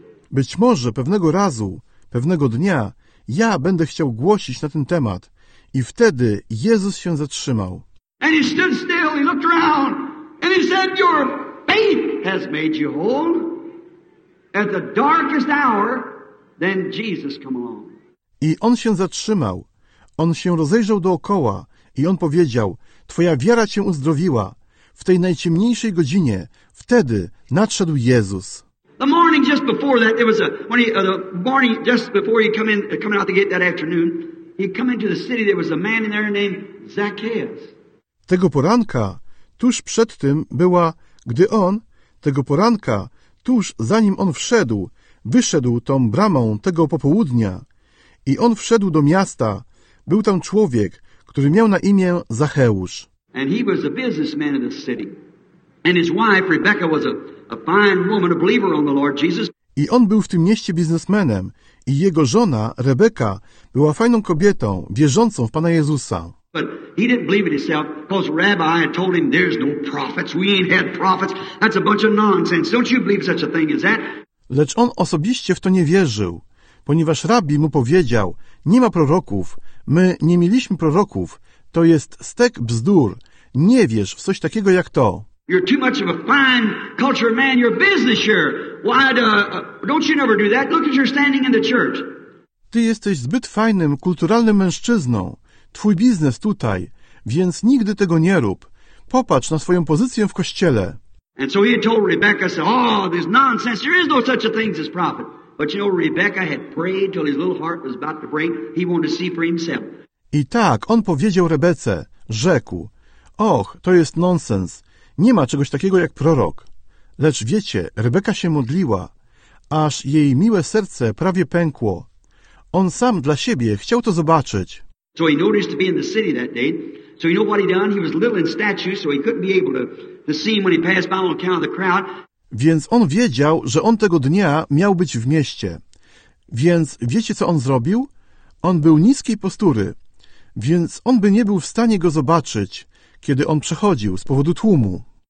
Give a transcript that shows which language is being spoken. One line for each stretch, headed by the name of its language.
Polish: Być może pewnego razu, pewnego dnia, ja będę chciał głosić na ten temat i wtedy Jezus się zatrzymał.
English: And he stood still, he looked around and he said, your faith has made you whole at the darkest hour. Then Jesus come along.
Polish: I on się zatrzymał. On się rozejrzał dookoła i on powiedział, Twoja wiara cię uzdrowiła. W tej najciemniejszej godzinie, wtedy nadszedł Jezus.
English: The morning just before that, there was a, when he, the morning just before he come in, coming out the gate that afternoon, he come into the city, there was a man in there named Zacchaeus.
Polish: Tego poranka, tuż przed tym była, gdy on, tego poranka, tuż zanim on wszedł, wyszedł tą bramą tego popołudnia i on wszedł do miasta. Był tam człowiek, który miał na imię Zacheusz.
English: And he was a businessman in the city. And his wife, Rebecca, was a fine woman, a believer on the Lord Jesus.
Polish: I on był w tym mieście biznesmenem i jego żona, Rebecca, była fajną kobietą, wierzącą w Pana Jezusa.
English: But he didn't believe it himself because Rabbi had told him there's no prophets, we ain't had prophets. That's a bunch of nonsense. Don't you believe such a thing as that?
Polish: Lecz on osobiście w to nie wierzył, ponieważ rabbi mu powiedział, nie ma proroków, my nie mieliśmy proroków, To jest stek bzdur. Nie wierz w coś takiego jak to.
English: You're too much of a fine culture man. You're a business here. Why don't you never do that? Look at your standing in the church.
Polish: Ty jesteś zbyt fajnym, kulturalnym mężczyzną. Twój biznes tutaj, więc nigdy tego nie rób. Popatrz na swoją pozycję w kościele.
English: And so he told Rebecca, said, "Oh, this nonsense. There is no such a thing as prophet." But you know, Rebecca had prayed till his little heart was about to break. He wanted to see for himself.
Polish: I tak, on powiedział Rebece, rzekł, och, to jest nonsens, nie ma czegoś takiego jak prorok. Lecz wiecie, Rebeka się modliła, aż jej miłe serce prawie pękło. On sam dla siebie chciał to zobaczyć.
English: So he noticed to be in the city that day. So you know what he done? He was little in stature, so he couldn't be able to see him when he passed by on account of the crowd.
Polish: Więc on wiedział, że on tego dnia miał być w mieście. Więc wiecie, co on zrobił? On był niskiej postury. Więc on by nie był w stanie go zobaczyć, kiedy on przechodził z powodu tłumu.